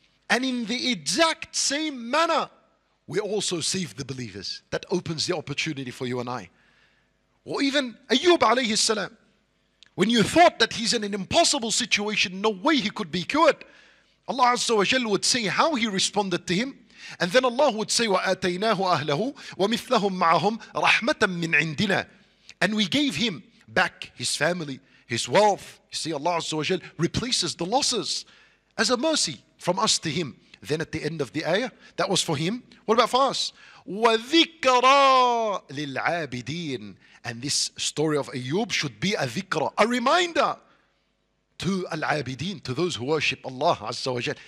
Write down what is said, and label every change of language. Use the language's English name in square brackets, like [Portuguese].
[English] And in the exact same manner, we also save the believers. That opens the opportunity for you and I. Or even Ayyub alayhi salam, when you thought that he's in an impossible situation, no way he could be cured, Allah Azza wa Jal would say how he responded to him. And then Allah would say, [Arabic] وَآتَيْنَاهُ أَهْلَهُ وَمِثْلَهُمْ مَعَهُمْ رَحْمَةً مِّنْ عِنْدِنَا. [English] And we gave him back his family, his wealth. You see, Allah Azza wa Jal replaces the losses as a mercy from us to him. Then at the end of the ayah, that was for him. What about for us? [Arabic] وَذِكَرَى لِلْعَابِدِينَ. [English] And this story of Ayyub should be a dhikra, a reminder to al-abideen, to those who worship Allah Azza wa Jal.